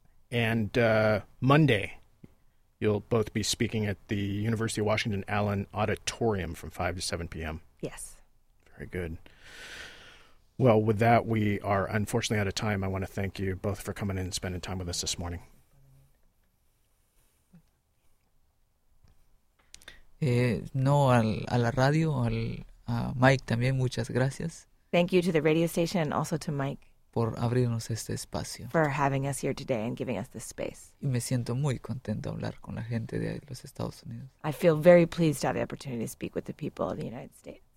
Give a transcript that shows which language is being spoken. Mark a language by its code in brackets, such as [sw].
[en] And Monday, you'll both be speaking at the University of Washington Allen Auditorium from 5 to 7 p.m. Yes. Very good. Well, with that, we are unfortunately out of time. I want to thank you both for coming in and spending time with us this morning. [es] No a la radio, a Mike también, muchas gracias. [en] Thank you to the radio station and also to Mike. [es] Por abrirnos este espacio. [en] For having us here today and giving us this space. [es] Y me siento muy contento de hablar con la gente de los Estados Unidos. [en] I feel very pleased to have the opportunity to speak with the people of the United States.